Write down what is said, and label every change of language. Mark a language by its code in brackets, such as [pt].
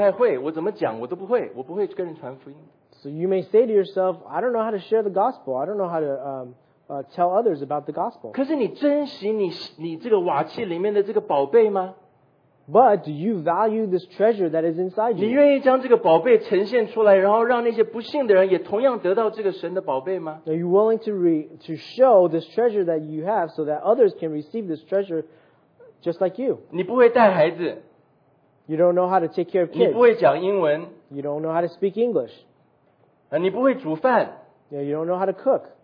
[zh] 你说我对传福音我不太会，我怎么讲我都不会，我不会跟人传福音。 [en] So you may say to yourself, I don't know how to share the gospel. I don't know how to tell others about the gospel. [zh] 可是你珍惜你这个瓦器里面的这个宝贝吗？ [en] But do you value this treasure that is inside you? [zh] 你愿意将这个宝贝呈现出来，然后让那些不幸的人也同样得到这个神的宝贝吗？ [en] Are you willing to to show this treasure that you have so that others can receive this treasure just like you? [zh] 你不会带孩子, [en] you don't know how to take care of kids. [zh] 你不会讲英文, [en] you don't know how to speak English. [zh] 你不会煮饭, [en] you don't know how to cook.